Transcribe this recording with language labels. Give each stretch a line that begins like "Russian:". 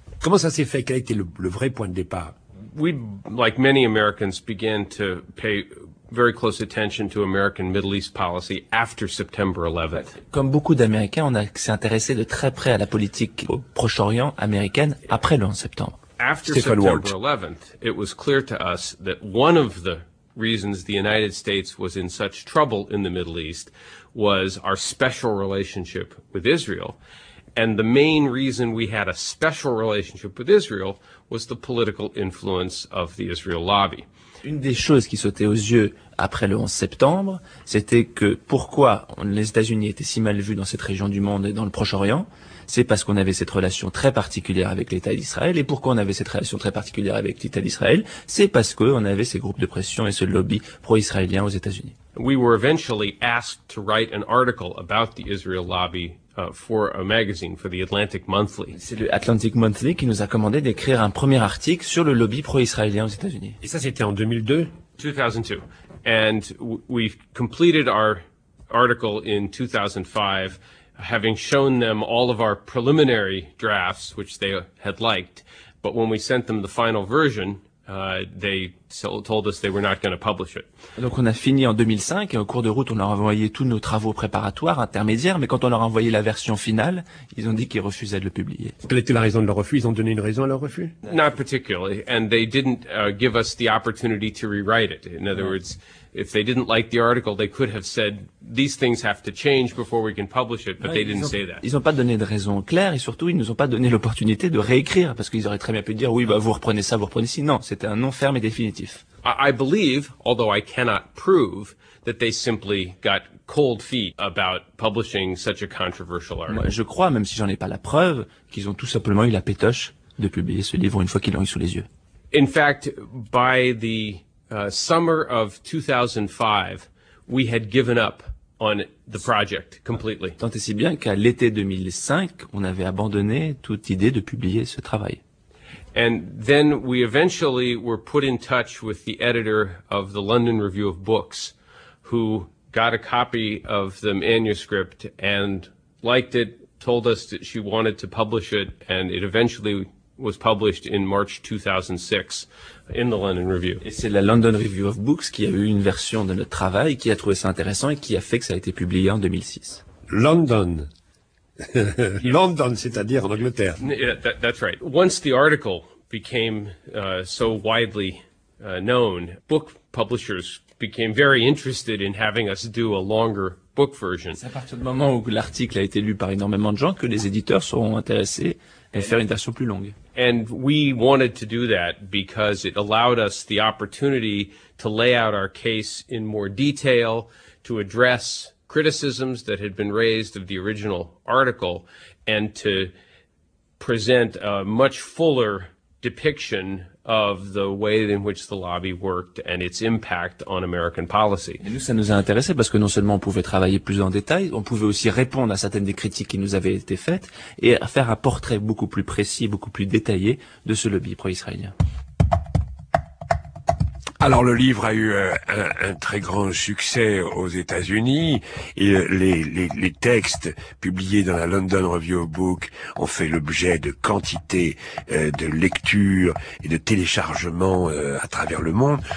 French: Comment ça s'est fait? Quel a été le vrai point de départ?
English: We, like many Americans, began to pay very close attention to American Middle East policy after September 11th.
French: Comme beaucoup d'Américains, on s'est intéressé de très près à la politique au Proche-Orient américaine après le 11 septembre.
English: After September 11th, it was clear to us that one of the reasons the United States was in such trouble in the Middle East was our special relationship with Israel. And the main reason we had a special relationship with Israel was the political influence of the Israel lobby.
French: Une des choses qui sautait aux yeux après le 11 septembre, c'était que pourquoi les États-Unis étaient si mal vus dans cette région du monde et dans le Proche-Orient, c'est parce qu'on avait cette relation très particulière avec l'État d'Israël. Et pourquoi on avait cette relation très particulière avec l'État d'Israël, c'est parce qu'on avait ces groupes de pression et ce lobby pro-israélien aux États-Unis.
English: We were eventually asked to write an article about the Israel lobby for a magazine, for the Atlantic Monthly.
French: C'est le Atlantic Monthly qui nous a commandé d'écrire un premier article sur le lobby pro-israélien aux États-Unis. Et ça, c'était en 2002? 2002.
English: And we completed our article in 2005, having shown them all of our preliminary drafts, which they had liked. But when we sent them the final version, they told us they were not going to publish it.
French: Donc on a fini en 2005, et au cours de route on leur a envoyé tous nos travaux préparatoires intermédiaires, mais quand on leur a envoyé la version finale, ils ont dit qu'ils refusaient de le publier. Quelle était la raison de leur refus? Ils ont donné une raison à leur refus?
English: Not particularly, and they didn't give us the opportunity to rewrite it. In other words, If they didn't like the article, they could have said these things have to change before we can publish it, but they didn't say that.
French: Ils n'ont pas donné de raison claire et surtout ils nous ont pas donné l'opportunité de réécrire parce qu'ils auraient très bien pu dire oui bah vous reprenez ça, vous reprenez ci. Non, c'était un non ferme et définitif.
English: I believe, although I cannot prove, that they simply got cold feet about publishing such a controversial article.
French: Moi, je crois, même si j'en ai pas la preuve, qu'ils ont tout simplement eu la pétoche de publier ce livre une fois qu'ils l'ont eu sous les yeux.
English: In fact, by the summer of 2005, we had given up on the project completely.
French: Tant et si bien qu'à l'été 2005, on avait abandonné toute idée de publier ce travail.
English: And then we eventually were put in touch with the editor of the London Review of Books, who got a copy of the manuscript and liked it, told us that she wanted to publish it, and it eventually was published in March 2006 in the London Review.
French: Et c'est la London Review of Books qui a eu une version de notre travail, qui a trouvé ça intéressant et qui a fait que ça a été publié en 2006. London. London, c'est-à-dire en Angleterre.
English: Yeah, that's right. Once the article became so widely known, book publishers became very interested in having us do a longer book version.
French: C'est à partir du moment où l'article a été lu par énormément de gens que les éditeurs seront intéressés à faire une version plus longue.
English: And we wanted to do that because it allowed us the opportunity to lay out our case in more detail, to address criticisms that had been raised of the original article, and to present a much fuller depiction of the way in which the lobby worked and its impact on American policy.
French: Et nous, ça nous a intéressé parce que non seulement on pouvait travailler plus en détail, on pouvait aussi répondre à certaines des critiques qui nous avaient été faites et faire un portrait beaucoup plus précis, beaucoup plus détaillé de ce lobby pro-israélien. Alors le livre a eu un très grand succès aux États-Unis et les textes publiés dans la London Review of Books ont fait l'objet de quantités de lectures et de téléchargements à travers le monde.